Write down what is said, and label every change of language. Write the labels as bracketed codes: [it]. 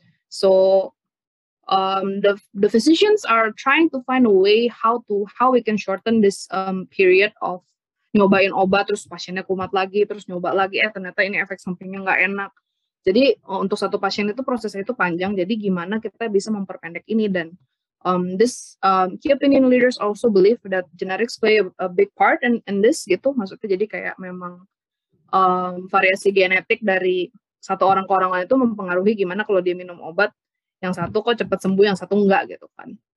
[en] So the physicians are trying to find a way how we can shorten this period of [id] nyobain obat terus pasiennya kumat lagi terus nyoba lagi, ternyata ini efek sampingnya nggak enak. Jadi untuk satu pasien itu prosesnya itu panjang. Jadi gimana kita bisa memperpendek ini? [en] Dan this key opinion leaders also believe that generics play a big part in this gitu. [id] Maksudnya jadi kayak memang variasi genetik dari satu orang ke orang lain itu mempengaruhi gimana kalau dia minum obat, yang satu kok cepat sembuh, yang satu enggak gitu kan.